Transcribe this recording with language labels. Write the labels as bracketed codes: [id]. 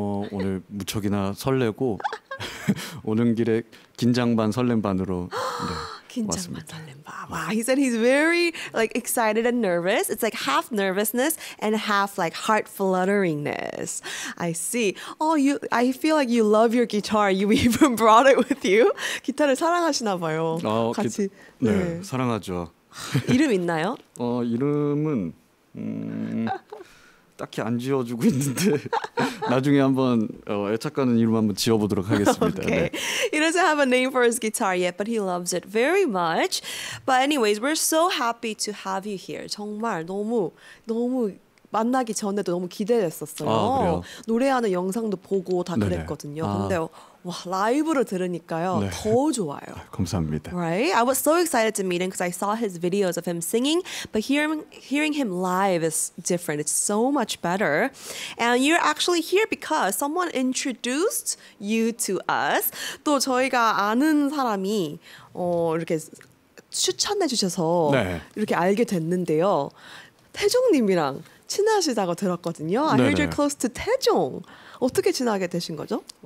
[ko] 오늘 무척이나 설레고 오는 길에 긴장 반 설렘 반으로 왔습니다. [en] 와, he said he's very like excited and nervous. It's like half nervousness and half like heart flutteringness. I see. Oh, you. I feel like you love your guitar. You even brought it with you. [ko] 기타를 사랑하시나 봐요. 같이. 네, 사랑하죠. 이름 있나요? 이름은 딱히 안 지어주고 있는데 나중에 한번 애착가는 이름 한번 지어보도록 하겠습니다. [en] Okay. 네. He doesn't have a name for his guitar yet, but he loves it very much. But anyways, we're so happy to have you here. [ko] 정말 너무 너무 만나기 전에도 너무 기대됐었어요. 아, 그래요? 노래하는 영상도 보고 다 네네. 그랬거든요. 아. 근데 와 라이브를 들으니까요 네. 더 좋아요. 감사합니다. [en] Right, I was so excited to meet him because I saw his videos of him singing, but hearing him live is different. It's so much better. And you're actually here because someone introduced you to us. [ko] 또 저희가 아는 사람이 이렇게 추천해 주셔서 네. 이렇게 알게 됐는데요. 태종님이랑 친하시다고 들었거든요. [en] 네네. I heard you're close to 태종. [ko] 어떻게 친하게 되신 거죠?